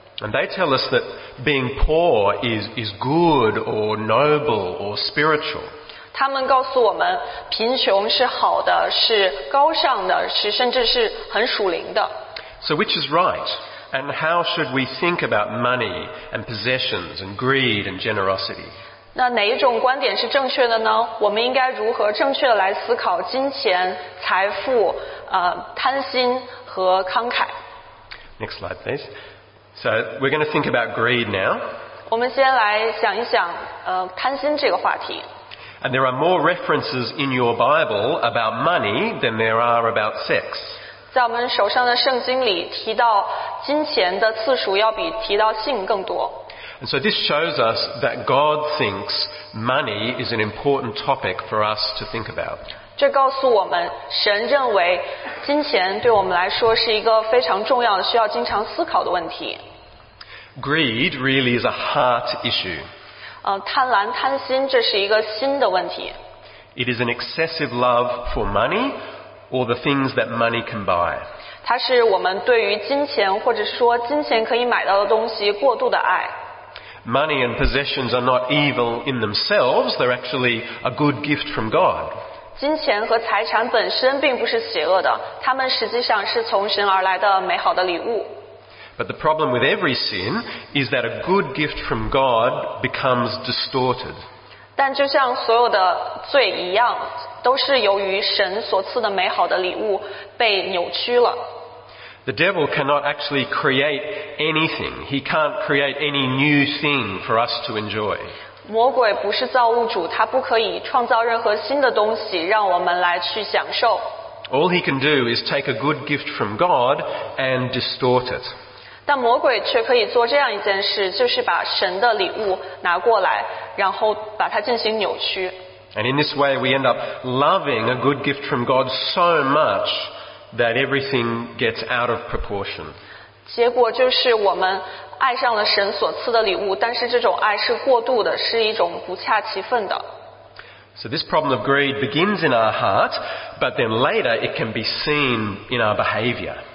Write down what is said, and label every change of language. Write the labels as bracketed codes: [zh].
[en] And they tell us that being poor is good or noble or spiritual. [zh] 他们告诉我们，贫穷是好的，是高尚的，是甚至是很属灵的。 [en] So which is right? And how should we think about money and possessions and greed and generosity? [zh] 那哪一种观点是正确的呢？我们应该如何正确的来思考金钱、财富、贪心和慷慨？ [en] Next slide, please. So we're going to think about greed now. [zh] 我们先来想一想贪心这个话题。 [en] And there are more references in your Bible about money than there are about sex. [zh] 在我们手上的圣经里提到金钱的次数要比提到性更多。 [en] And so this shows us that God thinks money is an important topic for us to think about. [zh] 这告诉我们，神认为金钱对我们来说是一个非常重要的，需要经常思考的问题。 [en] Greed really is a heart issue. [zh] 贪婪、贪心，这是一个心的问题。 [en] It is an excessive love for money or the things that money can buy. [zh] 它是我们对于金钱或者说金钱可以买到的东西过度的爱。 [en] Money and possessions are not evil in themselves. They're actually a good gift from God. [zh] 金钱和财产本身并不是邪恶的，它们实际上是从神而来的美好的礼物。 [en] But the problem with every sin is that a good gift from God becomes distorted. [zh] 但就像所有的罪一样，都是由于神所赐的美好的礼物被扭曲了。 [en] The devil cannot actually create anything. He can't create any new thing for us to enjoy. [zh] 魔鬼不是造物主，他不可以创造任何新的东西让我们来去享受。 [en] All he can do is take a good gift from God and distort it. [zh] 但魔鬼却可以做这样一件事，就是把神的礼物拿过来，然后把它进行扭曲。 [en] And in this way, we end up loving a good gift from God so much that everything gets out of proportion. [zh] 结果就是我们爱上了神所赐的礼物，但是这种爱是过度的，是一种不恰其分的。 [en] So this problem of greed begins in our heart, but then later it can be seen in our behavior.